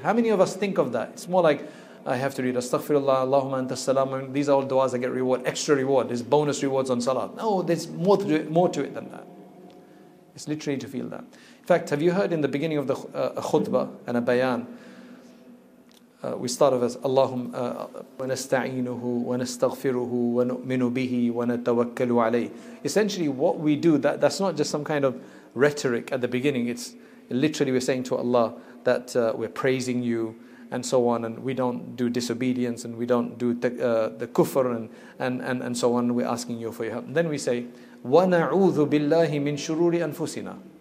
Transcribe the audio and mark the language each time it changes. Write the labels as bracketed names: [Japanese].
[English] How many of us think of that? It's more like, I have to read Astaghfirullah, Allahumma anta salam. These are all du'as that get reward, extra reward. There's bonus rewards on salat. No, there's more to it than that. It's literally to feel that. In fact, have you heard in the beginning of the khutbah and a bayan, We start off as [Arabic] اللهم ونستعينه ونستغفره ونؤمن به ونتوكل عليه. [English] Essentially what we do, that's not just some kind of rhetoric at the beginning. It's literally we're saying to Allah that we're praising you and so on, and we don't do disobedience and we don't do the kufr and so on. We're asking you for your help. And then we say [Arabic] وَنَعُوذُ بِاللَّهِ مِن شُرُورِ أَنفُسِنَا.